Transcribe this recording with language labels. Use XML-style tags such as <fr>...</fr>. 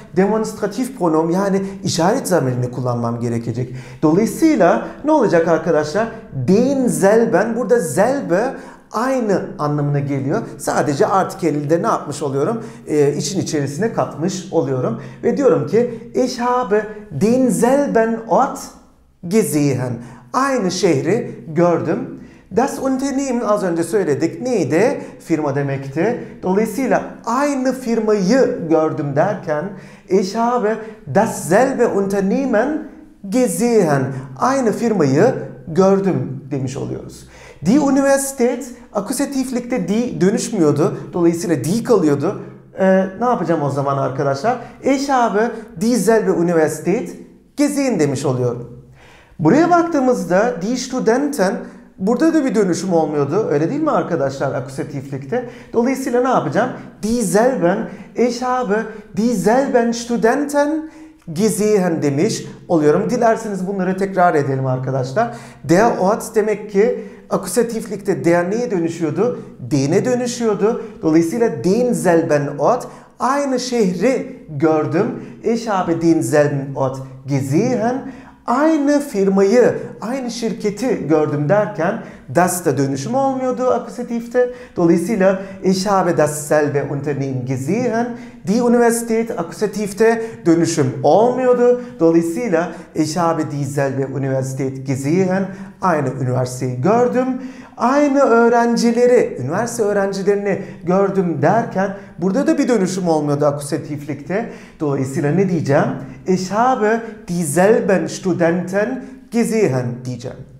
<tr>Demonstratif pronom, yani işaret zamirini kullanmam gerekecek. Dolayısıyla ne olacak arkadaşlar? Den selben. Burada selbe aynı anlamına geliyor. Sadece artikeli de ne yapmış oluyorum? İşin içerisine katmış oluyorum. Ve diyorum ki</tr> <de>ich habe den selben Ort gesehen.</de> <tr>Aynı şehri gördüm. Das Unternehmen, az önce söyledik, neydi? Firma demekti. Dolayısıyla aynı firmayı gördüm derken</tr> <de>ich habe das selbe Unternehmen gesehen.</de> <tr>Aynı firmayı gördüm demiş oluyoruz. Die Universität, akusatiflikte die dönüşmüyordu. Dolayısıyla die kalıyordu. Ne yapacağım o zaman arkadaşlar?</tr> <de>Ich habe die selbe Universität gesehen</de> <tr>demiş oluyorum. Buraya baktığımızda die Studenten burada da bir dönüşüm olmuyordu. Öyle değil mi arkadaşlar akusatiflikte? Dolayısıyla ne yapacağım?</tr> <de>Die selben, ich habe die selben Studenten gesehen</de> <tr>demiş oluyorum. Dilerseniz bunları tekrar edelim arkadaşlar. Der Ort demek ki akusatiflikte der neye dönüşüyordu? Den'e dönüşüyordu. Dolayısıyla</tr> <de>den selben Ort.</de> <tr>Aynı şehri gördüm.</tr> <de>Ich habe den selben Ort gesehen.</de> <tr>Aynı firmayı, aynı şirketi gördüm derken das da dönüşüm olmuyordu akusatifte. Dolayısıyla</tr> <de>ich habe dasselbe Unternehmen gesehen.</de> <tr>Die Universität akusatifte dönüşüm olmuyordu. Dolayısıyla</tr> <de>ich habe dieselbe Universität gesehen.</de> <tr>Aynı üniversiteyi gördüm. Aynı öğrencileri, üniversite öğrencilerini gördüm derken burada da bir dönüşüm olmuyordu akusatiflikte. Dolayısıyla ne diyeceğim?</tr> <de>Ich habe dieselben Studenten gesehen</de> <tr>diyeceğim.</tr>